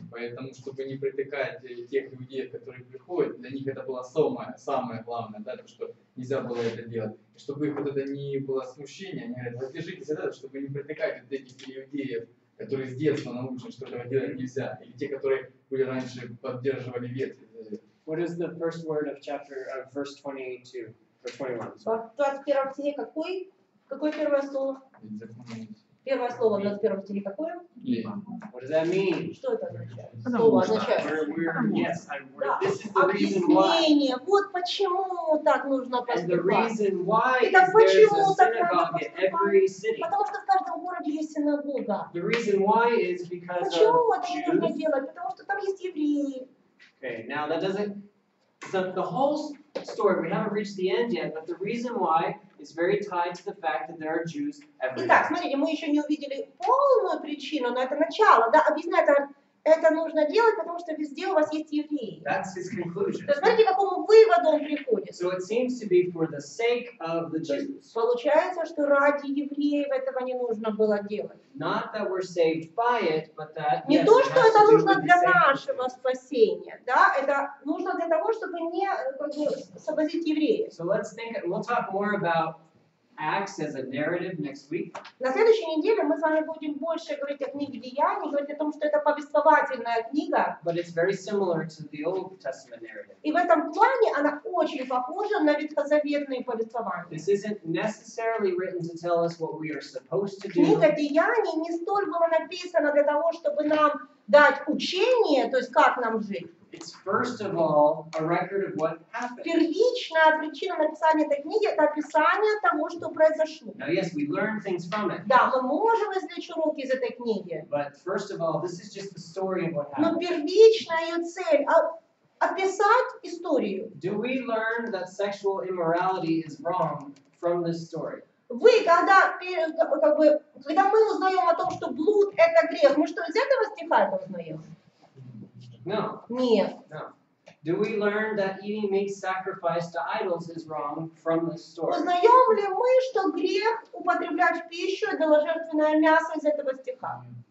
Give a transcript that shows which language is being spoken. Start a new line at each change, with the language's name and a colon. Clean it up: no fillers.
Russian: Поэтому, чтобы не притыкать тех людей, которые приходят, для них это было самое главное, да, то, что нельзя было это делать. И чтобы их вот это не было смущения, они говорят, воздержитесь от этого, чтобы не притыкать вот этих людей, которые с детства научены, что этого делать нельзя. Или те, которые были раньше поддерживали ветви.
English: What is the first word of chapter of verse 22 or 21?
Russian: В 21 стихе какое первое слово? Первое слово в 21 стихе какое?
English: What does that mean?
Russian: Что это означает? Слово означает.
English: Yes, this is the reason why.
Russian: Объяснение. Вот почему так нужно поступать. Итак, почему так надо поступать? Потому что в каждом городе есть синагога.
English: The reason why is because
Russian: почему это нужно делать? Потому что там есть евреи.
English: Okay, now that doesn't, the whole story, we haven't reached the end yet, but the reason why is very tied to the fact that there are Jews everywhere.
Russian: Итак, смотрите, мы еще не увидели полную причину, но это начало, да, объясняю, это нужно делать, потому что везде у вас есть евреи.
English: That's his conclusion.
Russian: То есть, смотрите, к какому выводу он приходит.
English: So it seems to be for the sake of the Jews.
Russian: То есть, получается, что ради евреев этого не нужно было делать.
English: Not that we're saved by it, but that
Russian: не
English: yes,
Russian: то, что это нужно для нашего спасения, да? Это нужно для того, чтобы не освободить евреев.
English: So let's think. We'll talk more about Acts as a narrative next week.
Russian: На следующей неделе мы с вами будем больше говорить о книге Деяний, говорить о том, что это повествовательная книга.
English: But it's very similar to the Old Testament narrative.
Russian: И в этом плане она очень похожа на ветхозаветные повествования.
English: This isn't necessarily written to tell us what we are supposed to do.
Russian: Книга Деяний не столь была написана для того, чтобы нам дать учение, то есть как нам жить.
English: It's first of all a record of what happened.
Russian: Первичная причина написания этой книги — это описание того, что произошло.
English: Now, yes, we learn things from it.
Russian: Да, мы можем извлечь уроки из этой книги.
English: But first of all, this is just the story of what happened.
Russian: Но первичная ее цель — описать историю.
English: Do we learn that sexual immorality is wrong from this story?
Russian: Вы, когда, как бы, когда мы узнаем о том, что блуд — это грех, мы что, из этого стиха это узнаем?
English: No.
Russian: Нет.
English: No. Do we learn that eating meat sacrificed to idols is wrong from this story?
Russian: Узнаем ли мы, что грех употреблять пищу идоложертвенное мясо из этого стиха?